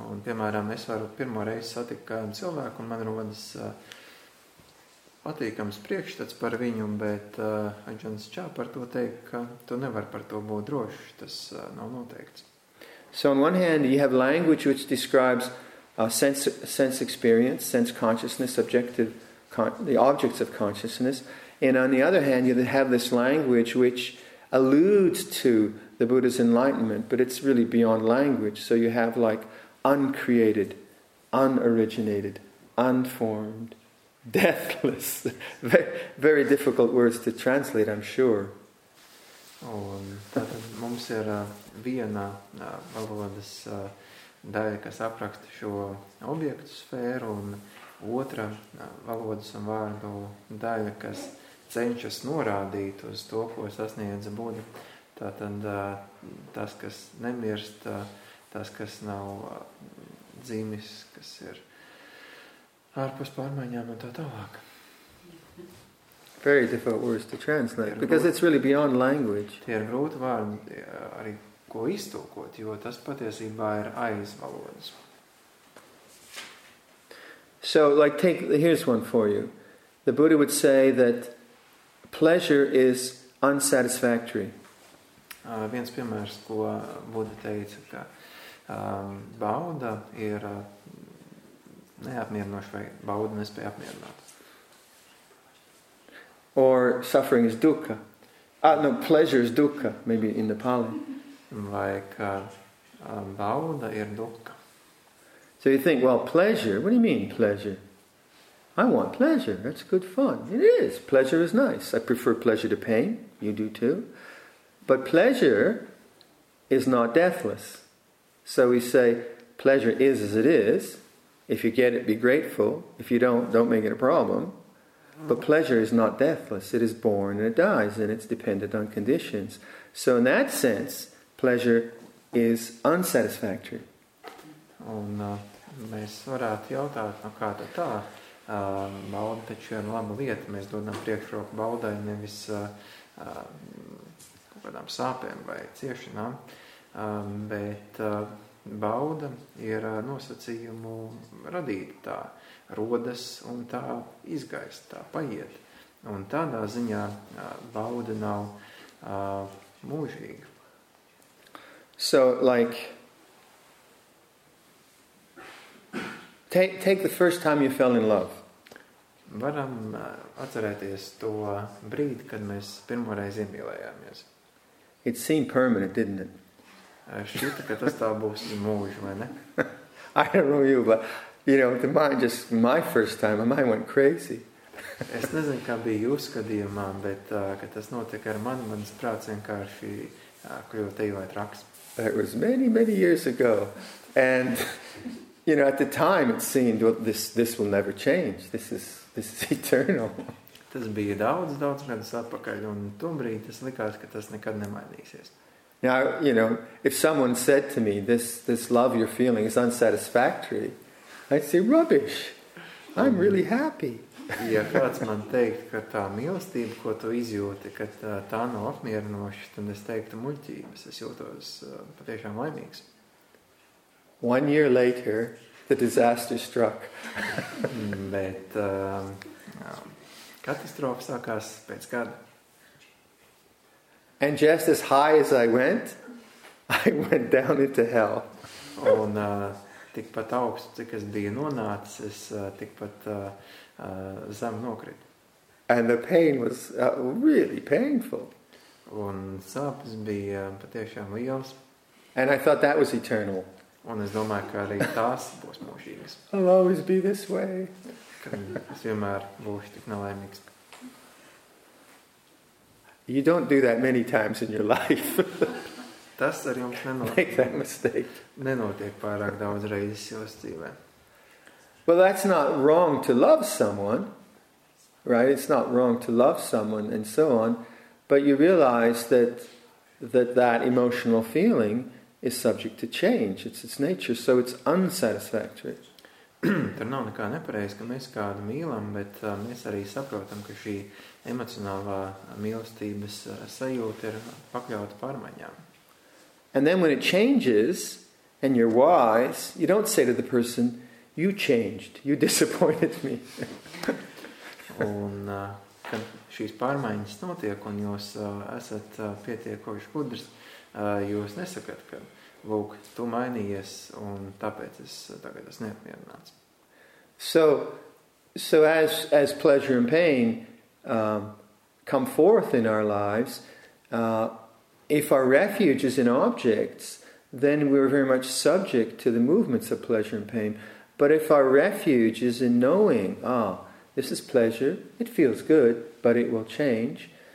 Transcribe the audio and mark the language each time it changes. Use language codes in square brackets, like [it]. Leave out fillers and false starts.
[lv] Un, piemēram, es varu pirmo reizi satikt kādu cilvēku, un man rodas patīkams priekšstats par viņu, bet Ajahnam Chah par to teikt, ka tu nevar par to būt drošs, tas nav noteikts. [en] So on one hand, you have language which describes sense experience, sense consciousness, objective, the objects of consciousness. And on the other hand, you have this language which alludes to the Buddha's enlightenment, but it's really beyond language. So you have like uncreated, unoriginated, unformed, deathless. Very difficult words to translate, I'm sure. [lv] Un tātad mums ir viena valodas daļa, kas apraksta šo objektu sfēru, un otra valodas un vārdu daļa, kas cenšas norādīt uz to, ko sasniedz Buda. Tātad tas, kas nemirst, tas, kas nav dzimis, kas ir ārpus pārmaiņām un tā tālāk. [en] Very difficult words to translate, because it's really beyond language. [lv] Tie ir grūti vārdi arī ko iztulkot, jo tas patiesībā ir aiz valodas. [en] So, like, here's one for you. The Buddha would say that pleasure is unsatisfactory. [lv] Viens piemērs, ko Buddha teica, ka bauda ir neapmierinoša, vai bauda nespēja apmierināt. [en] Or suffering is dukkha. Pleasure is dukkha, maybe in Nepali. [lv] Like, bauda ir dukkha. [en] So you think, well, pleasure, what do you mean, pleasure? I want pleasure, that's good fun. It is, pleasure is nice. I prefer pleasure to pain, you do too. But pleasure is not deathless. So we say, pleasure is as it is. If you get it, be grateful. If you don't make it a problem. But pleasure is not deathless. It is born and it dies and it's dependent on conditions. So in that sense, pleasure is unsatisfactory. [lv] Un mēs varētu jautāt, no kā tad tā? Bauda taču ir laba lieta. Mēs dodam priekšroku baudai, nevis kaut kādām sāpēm vai ciešanām. Bet bauda ir nosacījumu radīta tā. Rodas un tā izgaist, tā paiet. Un tādā ziņā bauda nav mūžīga. [en] So, like, take the first time you fell in love. [lv] Varam atcerēties to brīdi, kad mēs pirmoreiz iemīlējāmies. [en] It seemed permanent, didn't it? [lv] Šķita, ka tas tā būs mūži, vai ne? [en] I don't know you, but you know, the mind just my first time, my mind went crazy. [lv] Es nezinu, kā bija jūsu skatījumā, bet kad tas notika ar mani, manas prāts vienkārši kļūt tejot raks. [en] That was many, many years ago. And, you know, at the time it seemed, well, this will never change. This is eternal. [lv] Tas bija daudz, daudz gadus atpakaļ, un tombrīd tas likās, ka tas nekad nemainīsies. [en] Now, you know, if someone said to me, this love you're feeling is unsatisfactory, I'd say, rubbish. I'm really happy. [lv] Ja kāds man teikt, ka tā mīlestība, ko tu izjūti, ka tā nav apmierinoša, tad es teiktu muļķības. Es jūtos patiešām laimīgs. [en] One year later, the disaster struck. [lv] Bet katastrofa sākās pēc gada. [en] And just as high as I went down into hell. [lv] Un tikpat augstu, cik es biju nonācis, es tikpat zem nokritu. [en] And the pain was really painful. [lv] Un sāpes bija patiešām liels. [en] And I thought that was eternal. [lv] Un es domāju, ka arī tās būs mūžīgas. [en] I'll always be this way. [lv] Es vienmēr būšu tik nelaimīgs. [en] You don't do that many times in your life. [lv] Tas ar jums nenotiek. [en] Make that mistake. [lv] Nenotiek pārāk daudz reizes jūsu dzīvē. [en] Well, that's not wrong to love someone. Right? It's not wrong to love someone and so on. But you realize that that emotional feeling is subject to change. It's its nature, so it's unsatisfactory. [lv] Tur nav nekā nepareiz, ka mēs kādu mīlam, bet mēs arī saprotam, ka šī emocionālā mīlestības sajūta ir pakļauta pārmaiņām. [en] And then when it changes, and you're wise, you don't say to the person, you changed, you disappointed me. [lv] Un kad šīs pārmaiņas notiek, un jūs esat pietiekoši gudrs, jūs nesakat, ka, lūk, tu mainījies, un tāpēc es tagad esmu neapmierināts. [en] So as pleasure and pain come forth in our lives, if our refuge is in objects, then we're very much subject to the movements of pleasure and pain. But if our refuge is in knowing, this is pleasure, it feels good, but it will change.